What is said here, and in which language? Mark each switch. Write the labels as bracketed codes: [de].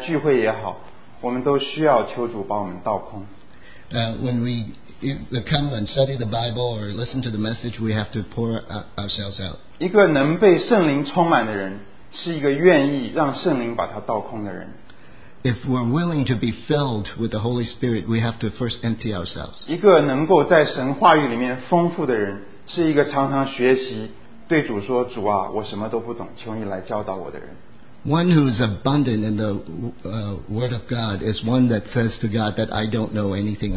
[zh] 就是每一次我们来到主面前，我们读自己读圣经也好，我们来聚会也好，我们都需要求主帮我们倒空。 [en] When we come and study the Bible or listen to the message, we have to pour ourselves out. [zh] 一个能被圣灵充满的人，是一个愿意让圣灵把他倒空的人。 [en] If we're willing to be filled with the Holy Spirit, we have to first empty ourselves. [zh] 一个能够在神话语里面丰富的人。是一个常常学习，对主说：“主啊，我什么都不懂，求你来教导我的人。” [en] One who is abundant in the Word of God is one that says to God that I don't know anything.